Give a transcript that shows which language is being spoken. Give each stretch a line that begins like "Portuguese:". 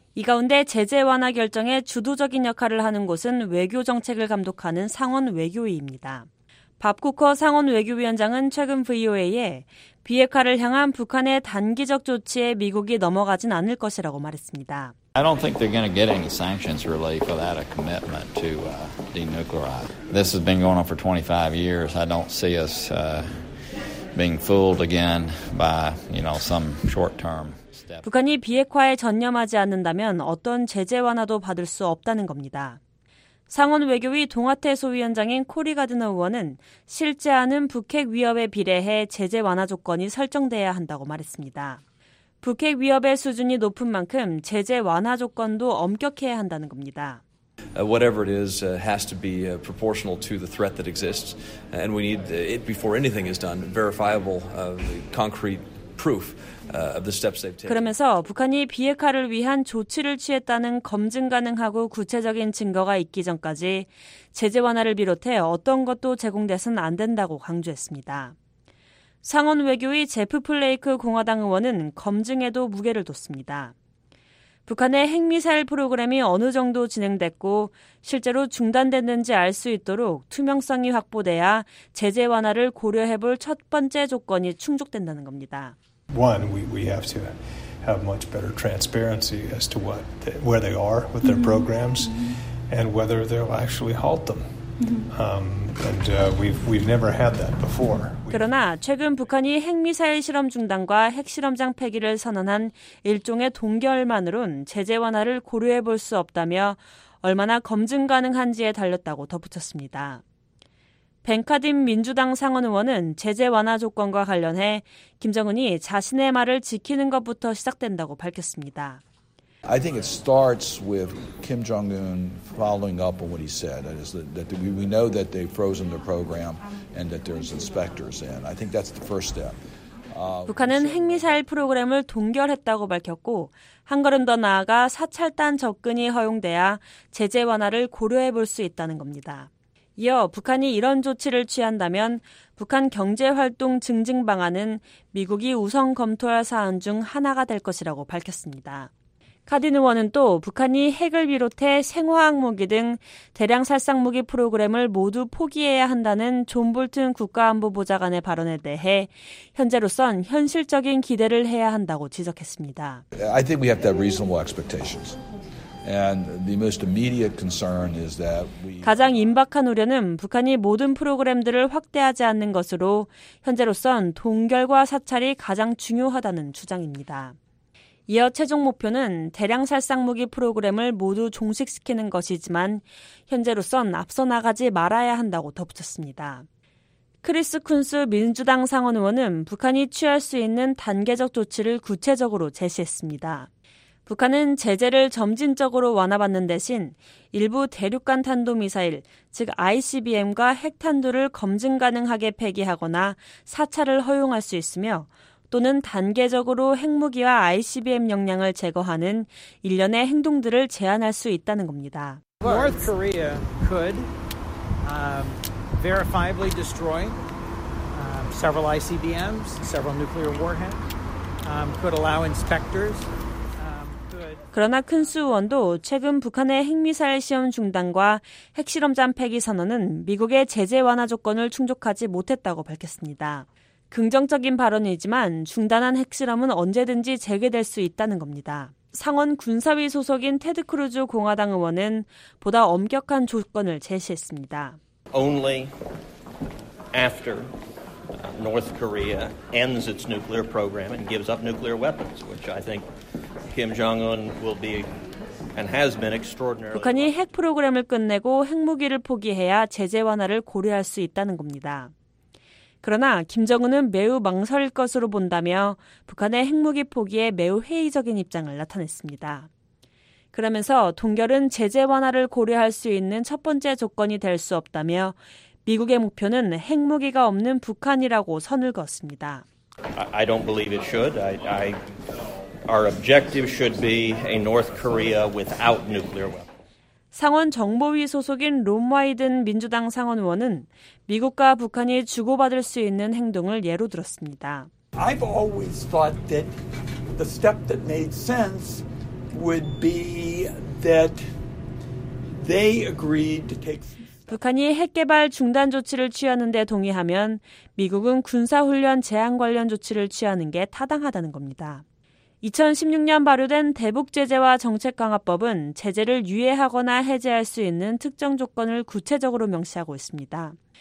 Korean: 이 가운데 제재 완화 결정에 주도적인 역할을 하는 곳은 외교정책을 감독하는 상원 외교위입니다. 밥 쿠커 상원 외교위원장은 최근 VOA에 비핵화를 향한 북한의 단기적 조치에 미국이 넘어가진 않을 것이라고 말했습니다.
English: I don't think they're going to get any sanctions relief without a commitment to denuclearize. This has been going on for 25 years. I don't see us being fooled again by, you know, some short-term step.
Korean: 북한이 비핵화에 전념하지 않는다면 어떤 제재 완화도 받을 수 없다는 겁니다. 상원 외교위 동아태 소위원장인 코리 가드너 의원은 실제 않은 북핵 위협에 비례해 제재 완화 조건이 설정돼야 한다고 말했습니다. 북핵 위협의 수준이 높은 만큼 제재 완화 조건도 엄격해야 한다는 겁니다.
English: Whatever it is has to be proportional to the threat that exists and we need it before anything is done verifiable concrete proof of the steps they've taken.
Korean: 그러면서 북한이 비핵화를 위한 조치를 취했다는 검증 가능하고 구체적인 증거가 있기 전까지 제재 완화를 비롯해 어떤 것도 제공돼선 안 된다고 강조했습니다. 상원 외교위 제프 플레이크 공화당 의원은 검증에도 무게를 뒀습니다. 북한의 핵미사일 프로그램이 어느 정도 진행됐고 실제로 중단됐는지 알 수 있도록 투명성이 확보돼야 제재 완화를 고려해볼 첫 번째 조건이 충족된다는 겁니다.
English: One, we have to have much better transparency as to what they, where they are with their programs and whether they'll actually halt them. We've never had that before.
Korean: 그러나 최근 북한이 핵미사일 실험 중단과 핵실험장 폐기를 선언한 일종의 동결만으론 제재 완화를 고려해볼 수 없다며 얼마나 검증 가능한지에 달렸다고 덧붙였습니다. 벤카딘 민주당 상원 의원은 제재 완화 조건과 관련해 김정은이 자신의 말을 지키는 것부터 시작된다고 밝혔습니다.
English: I think it starts with Kim Jong-un following up on what he said. That is that we know that they've frozen their program and that there's inspectors in. I think that's the first step.
Korean: 북한은 핵미사일 프로그램을 동결했다고 밝혔고 한 걸음 더 나아가 사찰단 접근이 허용돼야 제재 완화를 고려해볼 수 있다는 겁니다. 이어 북한이 이런 조치를 취한다면 북한 경제활동 증진 방안은 미국이 우선 검토할 사안 중 하나가 될 것이라고 밝혔습니다. 카딘 의원은 또 북한이 핵을 비롯해 생화학 무기 등 대량 살상 무기 프로그램을 모두 포기해야 한다는 존 볼튼 국가안보보좌관의 발언에 대해 현재로선 현실적인 기대를 해야 한다고 지적했습니다.
English: I think we have to have reasonable expectations. And the most immediate concern is that we
Korean: 가장 임박한 우려는 북한이 모든 프로그램들을 확대하지 않는 것으로 현재로선 동결과 사찰이 가장 중요하다는 주장입니다. 이어 최종 목표는 대량 살상무기 프로그램을 모두 종식시키는 것이지만 현재로선 앞서 나가지 말아야 한다고 덧붙였습니다. 크리스 쿤스 민주당 상원 의원은 북한이 취할 수 있는 단계적 조치를 구체적으로 제시했습니다. 북한은 제재를 점진적으로 완화받는 대신 일부 대륙간 탄도미사일, 즉 ICBM과 핵탄두를 검증 가능하게 폐기하거나 사찰을 허용할 수 있으며 또는 단계적으로 핵무기와 ICBM 역량을 제거하는 일련의 행동들을 제한할 수 있다는 겁니다.
English: North Korea could verifiably destroy several ICBMs, several nuclear warheads, could allow inspectors.
Korean: 그러나 큰수 의원도 최근 북한의 핵미사일 시험 중단과 핵실험장 폐기 선언은 미국의 제재 완화 조건을 충족하지 못했다고 밝혔습니다. 긍정적인 발언이지만 중단한 핵실험은 언제든지 재개될 수 있다는 겁니다. 상원 군사위 소속인 테드 크루즈 공화당 의원은 보다 엄격한 조건을 제시했습니다.
English: Only after North Korea ends its nuclear program and gives up nuclear weapons, which I think Kim Jong-un will be and has been extraordinarily.
Korean: 북한이 핵 프로그램을 끝내고 핵무기를 포기해야 제재 완화를 고려할 수 있다는 겁니다. 그러나 김정은은 매우 망설일 것으로 본다며 북한의 핵무기 포기에 매우 회의적인 입장을 나타냈습니다. 그러면서 동결은 제재 완화를 고려할 수 있는 첫 번째 조건이 될 수 없다며 미국의 목표는 핵무기가 없는 북한이라고 선을 그었습니다.
English: I don't believe it should. Our objective should be a North Korea without nuclear weapons.
Korean: 상원 정보위 소속인 론 와이든 민주당 상원 의원은 미국과 북한이 주고받을 수 있는 행동을 예로 들었습니다.
English: I've always thought that the step that made sense would be that they agreed to take
Korean: 북한이 핵개발 중단 조치를 취하는 데 동의하면 미국은 군사훈련 제한 관련 조치를 취하는 게 타당하다는 겁니다. 2016년 발효된 대북제재와 정책강화법은 제재를 유예하거나 해제할 수 있는 특정 조건을 구체적으로 명시하고 있습니다.